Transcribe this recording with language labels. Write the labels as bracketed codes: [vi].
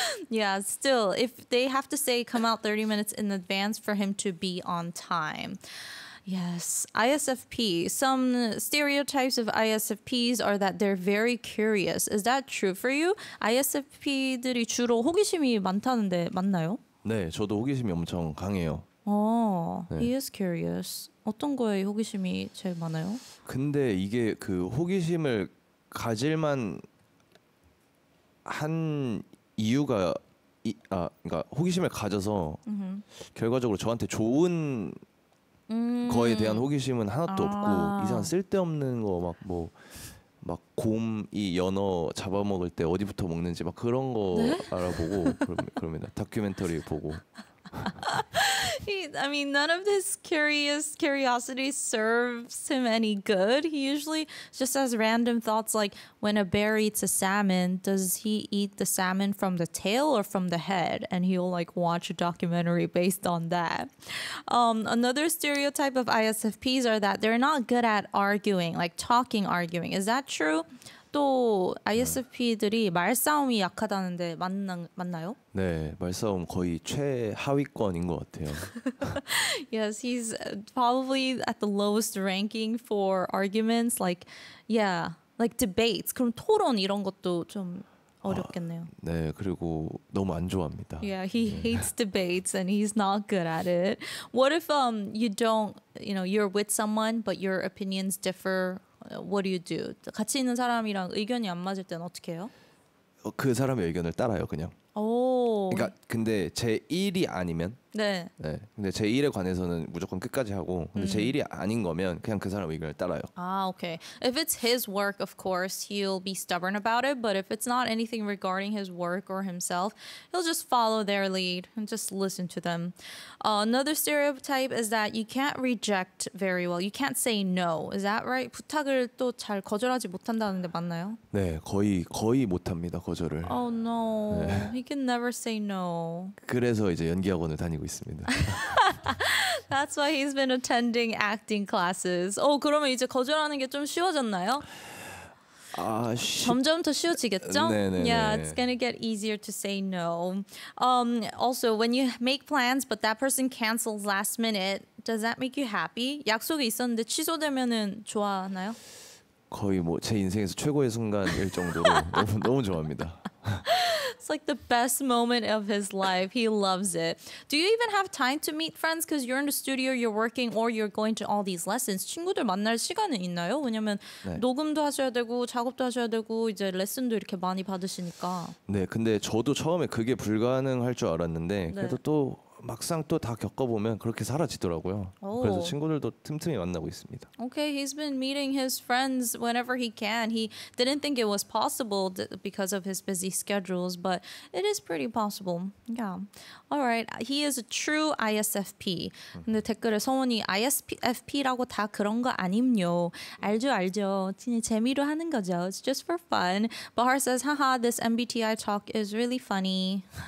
[en] Yeah, still, if they have to say come out 30 minutes in advance for him to be on time. Yes, ISFP. Some stereotypes of ISFPs are that they're very curious. Is that true for you? ISFP들이 주로 호기심이 많다는데 맞나요? [ko] 네, 저도 호기심이 엄청 강해요. [en] Oh, 네. He is curious. [ko] 어떤 거에 호기심이 제일 많아요? 근데 이게 그 호기심을 가질만 한 이유가 그러니까 호기심을 가져서 mm-hmm. 결과적으로 저한테 좋은 거에 대한 호기심은 하나도 없고 이상 쓸데없는 거 막 뭐 막 곰이 연어 잡아먹을 때 어디부터 먹는지 막 그런 거 네? 알아보고 그럽니다. 다큐멘터리 보고 [en] I mean, none of this curiosity serves him any good. He usually just has random thoughts like, when a bear eats a salmon, does he eat the salmon from the tail or from the head? And he'll like watch a documentary based on that. Another stereotype of ISFPs are that they're not good at arguing, like talking arguing. Is that true? [ko] 또 ISP들이 말싸움이 약하다는데 맞나요? 네, 말싸움 거의 최하위권인 것 같아요. [en] Yes, he's probably at the lowest ranking for arguments, like, yeah, like debates. [ko] 그럼 토론 이런 것도 좀 어렵겠네요. 아, 네, 그리고 너무 안 좋아합니다. [en] Yeah, he hates debates and he's not good at it. What if you don't, you know, you're with someone but your opinions differ? What do you do? [ko] 같이 있는 사람이랑 의견이 안 맞을 때는 어떻게 해요? 그 사람의 의견을 따라요, 그냥. 오. 그러니까 근데 제 일이 아니면. 네. 네. 근데 제 일에 관해서는 무조건 끝까지 하고, 근데 제 일이 아닌 거면 그냥 그 사람 의견을 따라요. 아, okay. [en] If it's his work, of course he'll be stubborn about it. But if it's not anything regarding his work or himself, he'll just follow their lead and just listen to them. Another stereotype is that you can't reject very well. You can't say no. Is that right? [ko] 부탁을 또 잘 거절하지 못한다는데 맞나요? 네, 거의 못합니다 거절을. [en] Oh no. 네. He can never say no. [ko] 그래서 이제 연기학원을 다. [en] That's why he's been attending acting classes. [ko] Oh, 그러면 이제 거절하는 게 좀 쉬워졌나요? 아, 점점 더 쉬워지겠죠? 네네네. [en] Yeah, it's gonna get easier to say no. Also, when you make plans but that person cancels last minute, does that make you happy? [ko] 약속이 있었는데 취소되면은 좋아하나요? 거의 뭐 제 인생에서 최고의 순간일 정도로 너무 너무 좋아합니다. [en] It's like the best moment of his life. He loves it. Do you even have time to meet friends? Because you're in the studio, you're working, or you're going to all these lessons. [ko] 친구들 만날 시간은 있나요? 왜냐면 네. 녹음도 하셔야 되고 작업도 하셔야 되고 이제 레슨도 이렇게 많이 받으시니까. 네, 근데 저도 처음에 그게 불가능할 줄 알았는데 네. 그래도 또 막상 또 다 겪어보면 그렇게 사라지더라고요. 오. 그래서 친구들도 틈틈이 만나고 있습니다. [en] Okay, he's been meeting his friends whenever he can. He didn't think it was possible because of his busy schedules, but it is pretty possible. Yeah. All right, he is a true ISFP. [ko] 근데 댓글에 성원이 ISFP라고 다 그런 거 아님요. 알죠, 알죠. 그냥 재미로 하는 거죠. It's just for fun. [en] Bahar says, haha, this MBTI talk is really funny.